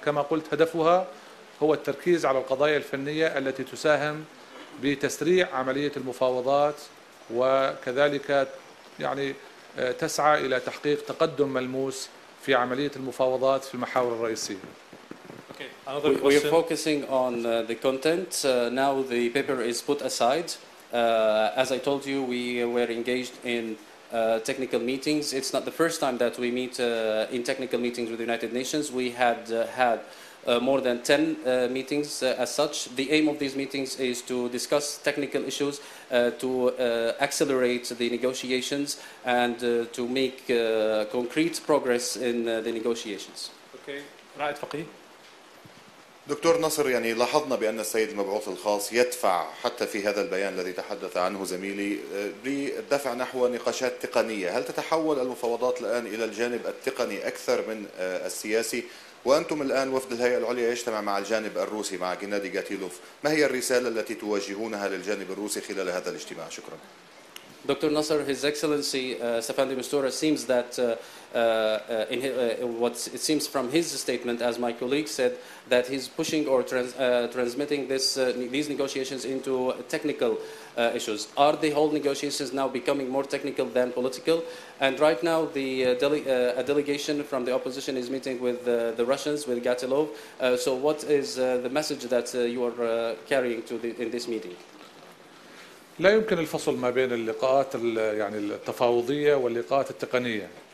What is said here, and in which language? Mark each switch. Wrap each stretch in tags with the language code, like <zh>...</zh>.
<ar>كما قلت هدفها هو التركيز على القضايا الفنية التي تساهم بتسريع عملية المفاوضات، وكذلك يعني تسعى إلى تحقيق تقدم ملموس في عملية المفاوضات في المحاور الرئيسية.</ar> <en>Okay. We are focusing on the content. Now the paper is put aside. As I told you, we were engaged in technical meetings. It's not the first time that we meet in technical meetings with the United Nations. We had had more than 10 meetings as such. The aim of these meetings is to discuss technical issues, to accelerate the negotiations, and to make concrete progress in the negotiations. Okay. رائد فقيه.</en> <ar>دكتور نصر، يعني لاحظنا بأن السيد المبعوث الخاص يدفع حتى في هذا البيان الذي تحدث عنه زميلي بالدفع نحو نقاشات تقنية، هل تتحول المفاوضات الآن إلى الجانب التقني أكثر من السياسي؟ وأنتم الآن وفد الهيئة العليا يجتمع مع الجانب الروسي مع جنادي جاتيلوف، ما هي الرسالة التي توجهونها للجانب الروسي خلال هذا الاجتماع؟ شكرا.</ar> <en>Dr. Nasser, His Excellency Stefanos Mistura, seems that in what it seems from his statement, as my colleague said, that he's pushing or transmitting these negotiations into technical issues. Are the whole negotiations now becoming more technical than political? And right now, a delegation from the opposition is meeting with the Russians, with Gatilov. So what is the message that you are carrying in this meeting?</en> <ar>لا يمكن الفصل ما بين اللقاءات يعني التفاوضية واللقاءات التقنية.</ar>